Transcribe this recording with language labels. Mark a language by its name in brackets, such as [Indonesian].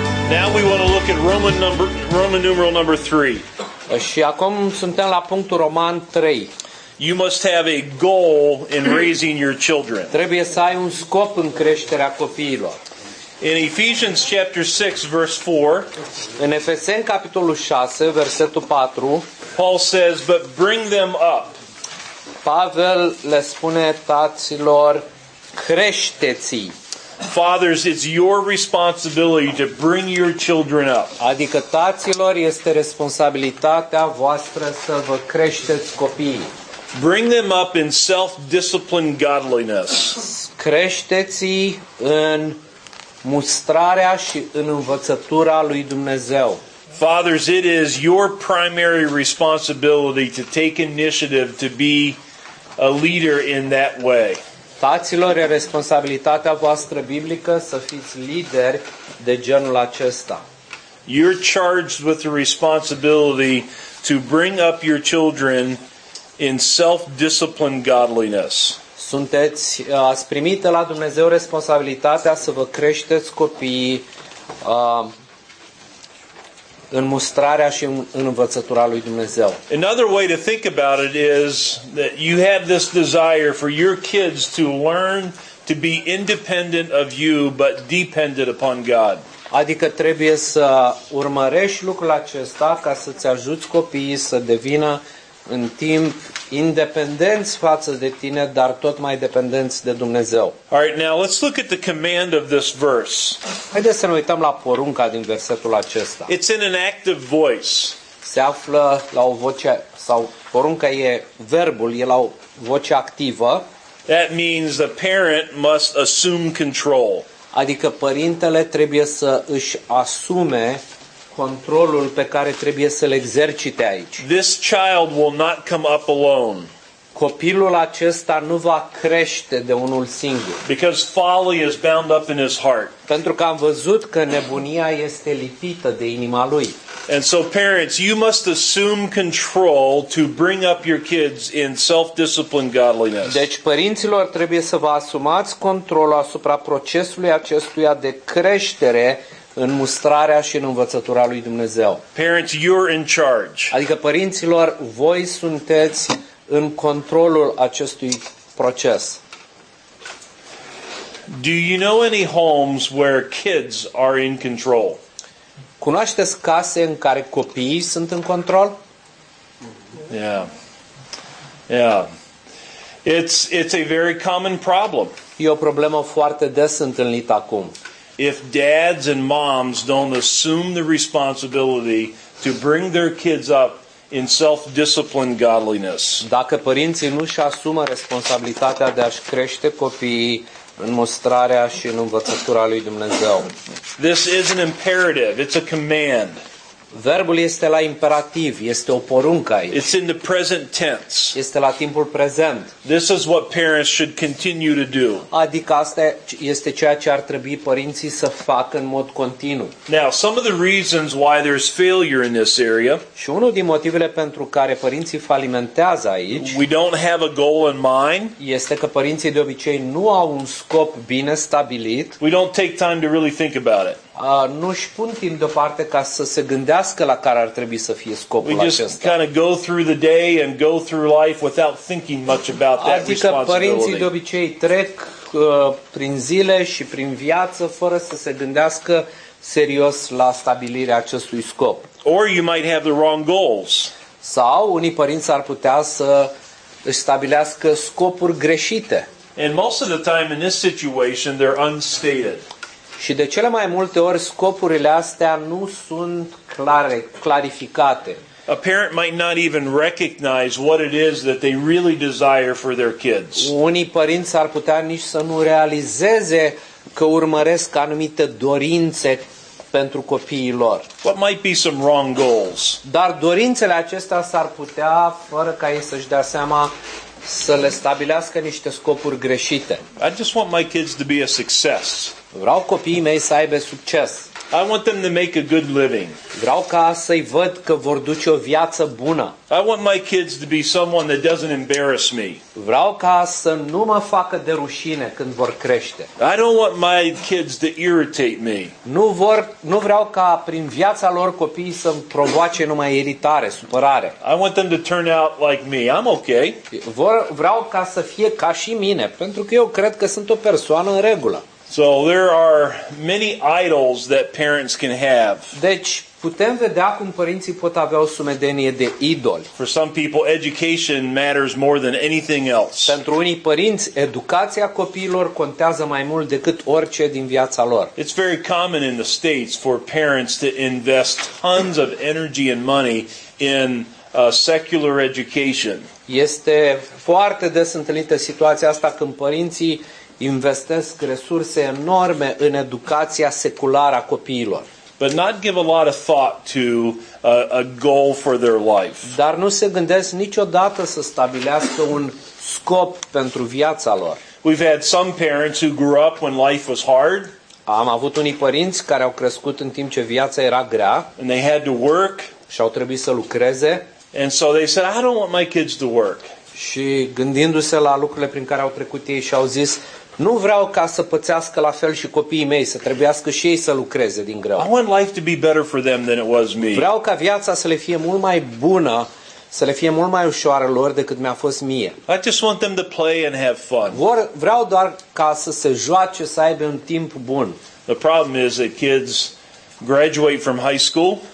[English] Now we want to look at Roman numeral number 3. [Romanian] Și acum suntem la punctul Roman 3. [English] You must have a goal in raising your children. [Romanian] Trebuie să ai un scop în creșterea copiilor. [English] In Ephesians chapter 6 verse 4. [Romanian] În Efeseni capitolul 6 versetul 4. [English] Paul says, "But bring them up." [Romanian] Pavel le spune taților, creșteți-i. [English] Fathers, it's your responsibility to bring your children up. [Romanian] Adică taților este responsabilitatea voastră să vă creșteți copiii. [English] Bring them up in self-discipline godliness. [Romanian] Creșteți-i în mustrarea și în învățătura lui Dumnezeu. [English] Fathers, it is your primary responsibility to take initiative to be a leader in that way. [Romanian] Taților, e responsabilitatea voastră biblică să fiți lideri de genul acesta. [English] You're charged with the responsibility to bring up your children in self-discipline godliness. [Romanian] Sunteți, ați primit de la Dumnezeu responsabilitatea să vă creșteți copiii în mustrarea și în învățătura lui Dumnezeu. [English] Another way to think about it is that you have this desire for your kids to learn to be independent of you but dependent upon God. [Romanian] Adică trebuie să urmărești lucrul acesta ca să-ți ajuți copiii să devină în timp independenți față de tine, dar tot mai dependenți de Dumnezeu. [English] All right, now let's look at the command of this verse. [Romanian] Haideți să ne uităm la porunca din versetul acesta. [English] It's in an active voice. [Romanian] Se află la o voce, sau porunca e verbul, e la o voce activă. [English] That means the parent must assume control. [Romanian] Adică părintele trebuie să își asume controlul pe care trebuie să-l exercite aici. [English] This child will not come up alone. [Romanian] Copilul acesta nu va crește de unul singur. [English] Because folly is bound up in his heart. [Romanian] Pentru că am văzut că nebunia este lipită de inima lui. [English] And so parents, you must assume control to bring up your kids in self-discipline godliness. [Romanian] Deci părinților trebuie să vă asumați controlul asupra procesului acestuia de creștere în mustrarea și în învățătura lui Dumnezeu. [English] Parents, you're in charge. [Romanian] Adică părinților, voi sunteți în controlul acestui proces. [English] Do you know any homes where kids are in control? [Romanian] Cunoașteți case în care copiii sunt în control? [English] Yeah. Yeah. It's a very common problem. [Romanian] E o problemă foarte des întâlnită acum. [English] If dads and moms don't assume the responsibility to bring their kids up in self-discipline godliness. [Romanian] Dacă părinții nu își asumă responsabilitatea de a-și crește copiii în mustrarea și în învățătura lui Dumnezeu. [English] This is an imperative, it's a command. [Romanian] Verbul este la imperativ, este o poruncă aici. [English] It's in the present tense. [Romanian] Este la timpul prezent. [English] This is what parents should continue to do. [Romanian] Adică asta este ceea ce ar trebui părinții să facă în mod continuu. [English] Now, some of the reasons why there's failure in this area. [Romanian] Și unul din motivele pentru care părinții falimentează aici. [English] We don't have a goal in mind. [Romanian] Este că părinții de obicei nu au un scop bine stabilit. [English] We don't take time to really think about it. [Romanian] Nu își pun timp deoparte ca să se gândească la care ar trebui să fie scopul acesta. [English] We just kind of go through the day and go through life without thinking much about that responsibility. [Romanian] Adică părinții de obicei trec prin zile și prin viață fără să se gândească serios la stabilirea acestui scop. [English] Or you might have the wrong goals. [Romanian] Sau unii părinți ar putea să își stabilească scopuri greșite. [English] And most of the time in this situation they're unstated. [Romanian] Și de cele mai multe ori scopurile astea nu sunt clare, clarificate. [English] A parent might not even recognize what it is that they really desire for their kids. [Romanian] Unii părinți ar putea nici să nu realizeze că urmăresc anumite dorințe pentru copiii lor. [English] What might be some wrong goals? [Romanian] Dar dorințele acestea s-ar putea, fără ca ei să-și dea seama, să le stabilească niște scopuri greșite. [English] I just want my kids to be a success. [Romanian] Vreau copiii mei să aibă succes. [English] I want them to make a good living. [Romanian] Vreau ca să-i văd că vor duce o viață bună. [English] I want my kids to be someone that doesn't embarrass me. [Romanian] Vreau ca să nu mă facă de rușine când vor crește. [English] I don't want my kids to irritate me. [Romanian] Nu vreau ca prin viața lor copiii să-mi provoace numai iritare, supărare. [English] I want them to turn out like me. I'm okay. [Romanian] Vreau ca să fie ca și mine, pentru că eu cred că sunt o persoană în regulă. [English] So there are many idols that parents can have. [Romanian] Deci putem vedea cum părinții pot avea o sumedenie de idoli. [English] For some people, education matters more than anything else. [Romanian] Pentru unii părinți, educația copiilor contează mai mult decât orice din viața lor. [English] It's very common in the States for parents to invest tons of energy and money in secular education. [Romanian] Este foarte des întâlnită situația asta când părinții investesc resurse enorme în educația seculară a copiilor. [English] But not give a lot of thought to a goal for their life. [Romanian] Dar nu se gândesc niciodată să stabilească un scop pentru viața lor. [English] We've had some parents who grew up when life was hard. [Romanian] Am avut unii părinți care au crescut în timp ce viața era grea. [English] And they had to work. [Romanian] Și au trebuit să lucreze. [English] And so they said, I don't want my kids to work. [Romanian] Și gândindu-se la lucrurile prin care au trecut ei și au zis, nu vreau ca să pățească la fel și copiii mei, să trebuiască și ei să lucreze din greu. [English] I want life to be better for them than it was me. [Romanian] Vreau ca viața să le fie mult mai bună, să le fie mult mai ușoară lor decât mi-a fost mie. [English] I just want them to play and have fun. [Romanian] Vreau doar ca să se joace, să aibă un timp bun. [English] The problem is that kids graduate from high school.